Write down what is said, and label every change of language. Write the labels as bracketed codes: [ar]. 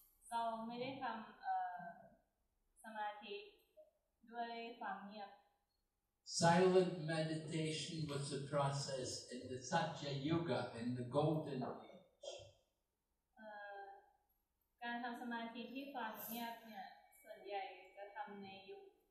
[th] เราไม่ได้ทำสมาธิด้วยความเงียบ [en] Silent meditation was a process in the Satya Yuga, in the golden age. [th] การทำสมาธิที่ฟังเงียบเนี่ยส่วนใหญ่จะทำในยุค